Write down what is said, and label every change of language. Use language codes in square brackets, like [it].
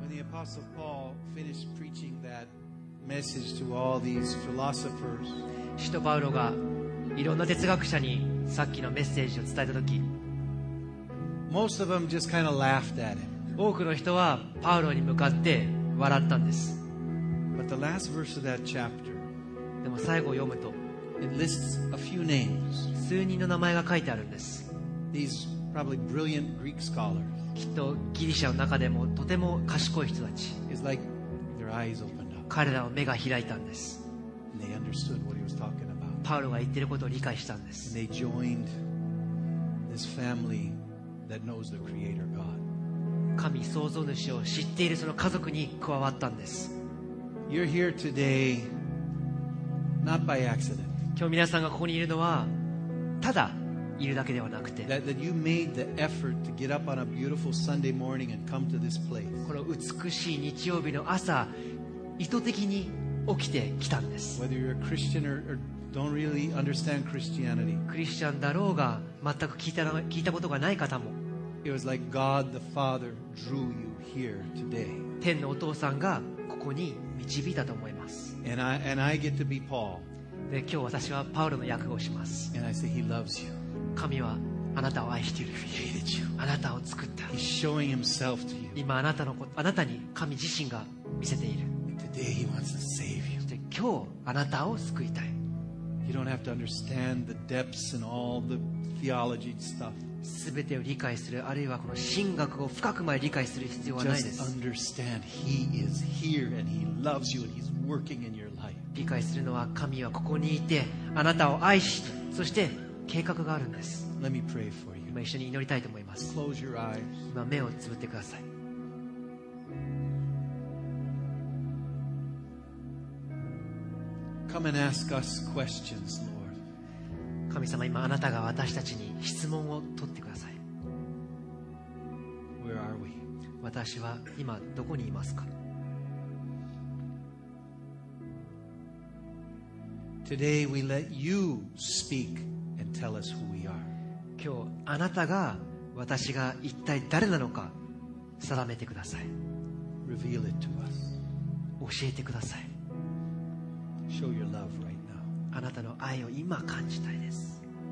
[en] Apostle Paul finished preaching that message to all these philosophers. [ja] 使徒パウロがいろんな哲学者にさっきのメッセージを伝えたとき、 [en] Most of them just kind of laughed at him. [ja] 多くの人はパウロに向かって笑ったんです。 [en] But the last verse of that chapter, [ja] でも最後を読むと、 [en] it lists a few names. [ja] 数人の名前が書いてあるんです。 [en] These probably brilliant Greek scholars. [ja] きっとギリシャの中でもとても賢い人たち。 [en] It's like their eyes opened up. [ja] 彼らの目が開いたんです。 [en] And they understood what he was talking about. [ja] パウロが言ってることを理解したんです。 [en] And they joined this family. That knows the creator God. [ja] 神創造主を知っているその家族に加わったんです。 [en] You're here today, not by accident. [ja] 今日皆さんがここにいるのはただいるだけではなくて、 [en] that you made the effort to get up on a beautiful Sunday morning and come to this place. [ja] この美しい日曜日の朝、意図的に起きてきたんです。 [en] Whether you're a Christian or don't really understand Christianity. [ja] クリスチャンだろうが全く聞いたことがない方も、 [en] It was like God the Father drew you here today. [ja] 天のお父さんがここに導いたと思います。 [en] And I get to be Paul. [ja] で、今日私はパウロの役をします。 [en] And I say He loves you. [ja] 神はあなたを愛している。 [en] He created you. [ja] あなたを作った。 [en] He's showing Himself to you. [ja] 今あなたに神自身が見せている。 [en] And today He wants to save you. [ja] で、今日あなたを救いたい。 [en] You don't have to understand the depths and all the theology stuff. [ja] 全てを理解する、あるいはこの神学を深くまで理解する必要はないです。 [en] Just understand He is here and He loves you and He's working in your life. [ja] 理解するのは神はここにいて、あなたを愛し、そして計画があるんです。 [en] Let me pray for you. [ja] 今一緒に祈りたいと思います。 [en] Close your eyes. [ja] 今目をつぶってください。 [en] Come and ask us questions, Lord. [ja] 神様、今あなたが私たちに質問を取ってください。 [en] Where are we? [ja] 私は今どこにいますか? [en] Today we let you speak and tell us who we are. [ja] 今日あなたが私が一体誰なのか定めてください。 [en] Reveal it to us. [ja] 教えてください。 [en] Show your love right now. [ja] あなたの愛を今感じたいです。